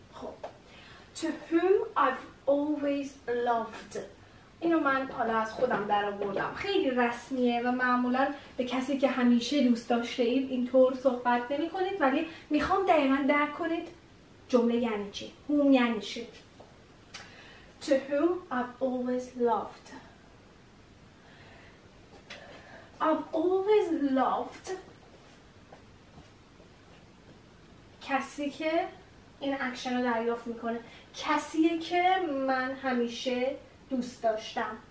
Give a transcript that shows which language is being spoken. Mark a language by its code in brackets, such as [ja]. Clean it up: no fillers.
[fa] خب [en] to whom I've always loved، [fa] اینو من حالا از خودم درآوردم. خیلی رسمیه و معمولا به کسی که همیشه دوست داشته اید اینطور صحبت نمی کنید، ولی میخوام دقیقا درک کنید جمله یعنی چی. [en] whom [fa] یعنی چی؟ [en] To whom I've always loved. I've always loved [fa] کسی که این اکشن رو دریافت میکنه، کسیه که من همیشه دوست داشتم.